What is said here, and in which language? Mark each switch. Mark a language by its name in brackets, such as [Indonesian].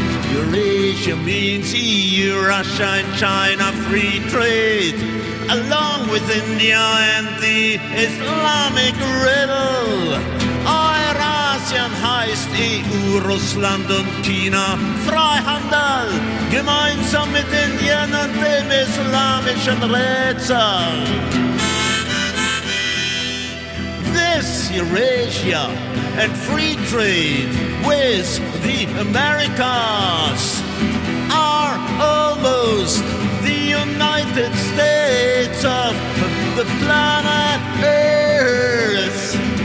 [English] Eurasia means EU, Russia and China free trade, along with India and the Islamic riddle. [German] Eurasien heißt EU, Russland und China Freihandel, gemeinsam mit Indien und dem islamischen Rätsel. [English] This Eurasia and free trade with the Americas are almost the United States of the planet Earth.